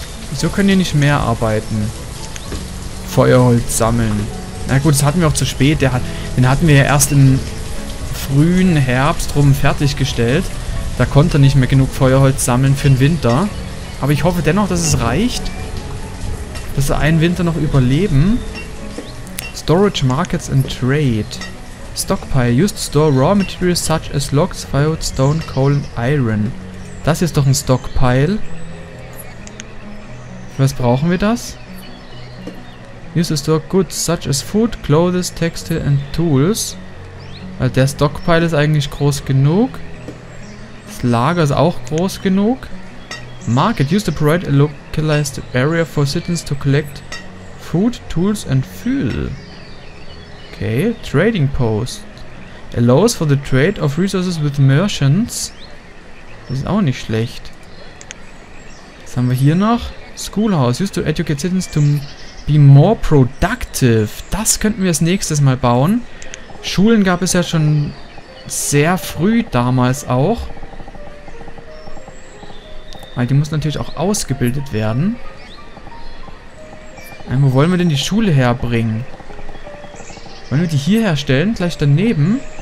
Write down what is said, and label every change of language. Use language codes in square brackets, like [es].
[de] Wieso können hier nicht mehr arbeiten? Feuerholz sammeln. Na gut, das hatten wir auch zu spät. Den hatten wir ja erst im frühen Herbst rum fertiggestellt. Da konnte er nicht mehr genug Feuerholz sammeln für den Winter. Aber ich hoffe dennoch, dass es reicht. Dass wir einen Winter noch überleben. [en] Storage Markets and Trade. Stockpile. Used to store raw materials such as logs, firewood, stone, coal and iron. [de] Das ist doch ein Stockpile. Was brauchen wir das? [en] Used to store goods such as food, clothes, textile and tools. [de] Also der Stockpile ist eigentlich groß genug. Das Lager ist auch groß genug. [en] Market. Used to provide a localized area for citizens to collect food, tools and fuel. Okay. Trading Post. Allows for the trade of resources with merchants. [de] Das ist auch nicht schlecht. Was haben wir hier noch? Schoolhouse. [en] Used to educate citizens to be more productive. [de] Das könnten wir als nächstes mal bauen. Schulen gab es ja schon sehr früh damals auch. Weil die muss natürlich auch ausgebildet werden. Und wo wollen wir denn die Schule herbringen? Wollen wir die hier herstellen? Gleich daneben?